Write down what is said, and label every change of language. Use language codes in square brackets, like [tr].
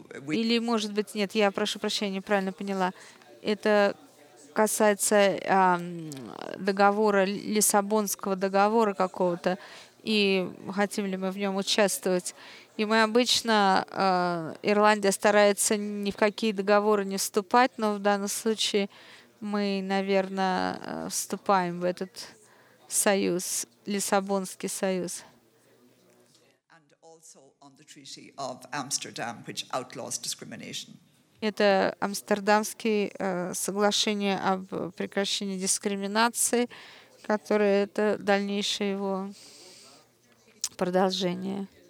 [ru] Или, может быть, нет, я прошу прощения, неправильно поняла. Это касается договора, Лиссабонского договора какого-то, и хотим ли мы в нем участвовать. И мы обычно, Ирландия старается ни в какие договоры не вступать, но в данном случае мы, наверное, вступаем в этот союз, Лиссабонский союз. [en] And also on the Treaty of Amsterdam, which outlaws discrimination. [ru] Это Амстердамское соглашение об прекращении дискриминации, которое это дальнейшее его продолжение.